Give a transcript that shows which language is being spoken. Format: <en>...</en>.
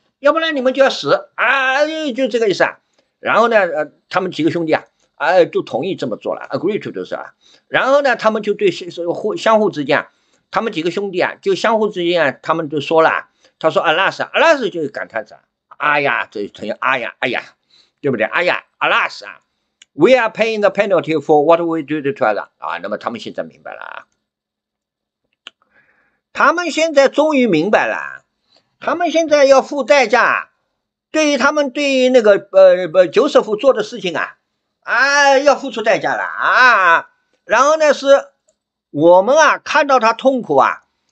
<zh>要不然你们就要死。啊，就这个意思啊。然后呢他们几个兄弟啊就同意这么做了，</zh> <en>agree to</en> <zh>就是啊。然后呢他们就对相互之间，他们几个兄弟啊就相互之间啊他们就说了，他说 alas， alas 就是感叹词，哎呀，这等于哎呀，哎呀，对不对？</zh> <en>哎呀 ，alas 啊 ，we are paying the penalty for what we did to us 啊。</en> <zh>那么他们现在明白了啊，他们现在终于明白了，他们现在要付代价，对于那个Joseph 做的事情啊，要付出代价了啊。然后呢，是我们啊看到他痛苦啊。</zh>